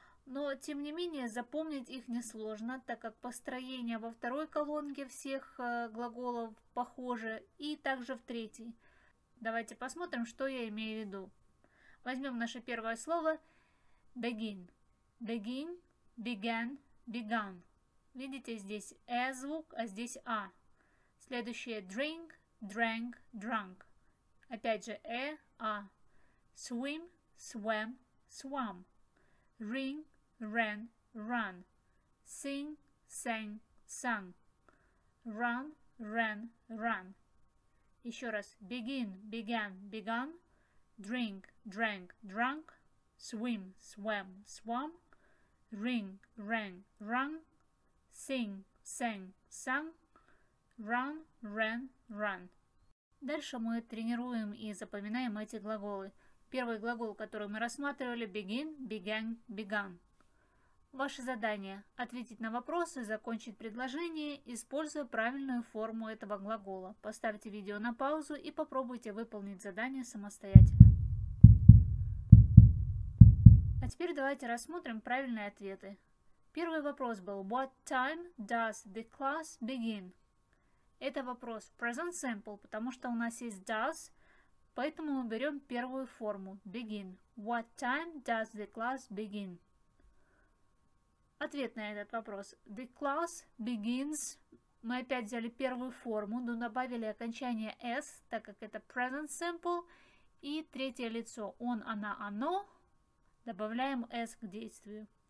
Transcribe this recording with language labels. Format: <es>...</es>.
<ru>Но, тем не менее, запомнить их несложно, так как построение во второй колонке всех глаголов похоже и также в третьей. Давайте посмотрим, что я имею в виду. Возьмем наше первое слово begin.</ru> <en>Begin, began, begun.</en> <ru>Видите, здесь «э» звук, а здесь «а». Следующее</ru> <en>«drink», «drank», «drunk».</en> <ru>Опять же «э», «а».</ru> <en>«Swim», «swam», «swam». «Ring», «ran», «run». «Sing», «sang», «sung». «Run», «ran», «run».</en> <ru>Еще раз</ru> <en>«begin», «began», «begun». «Drink», «drank», «drunk». «Swim», «swam», «swam». «Ring», «ran», «run». Sing, sang, sang, run, ran, run.</en> <ru>Дальше мы тренируем и запоминаем эти глаголы. Первый глагол, который мы рассматривали,</ru> <en>begin, began, begun.</en> <ru>Ваше задание – ответить на вопросы, закончить предложение, используя правильную форму этого глагола. Поставьте видео на паузу и попробуйте выполнить задание самостоятельно. А теперь давайте рассмотрим правильные ответы. Первый вопрос был</ru> <en>«What time does the class begin?»</en> <ru>Это вопрос present simple, потому что у нас есть «does», поэтому мы берем первую форму «begin».</ru> <en>«What time does the class begin?»</en> <ru>Ответ на этот вопрос</ru> <en>«The class begins»</en> <ru>мы опять взяли первую форму, но добавили окончание «s», так как это present simple, и третье лицо «он», «она», «оно» добавляем «s» к действию.</ru>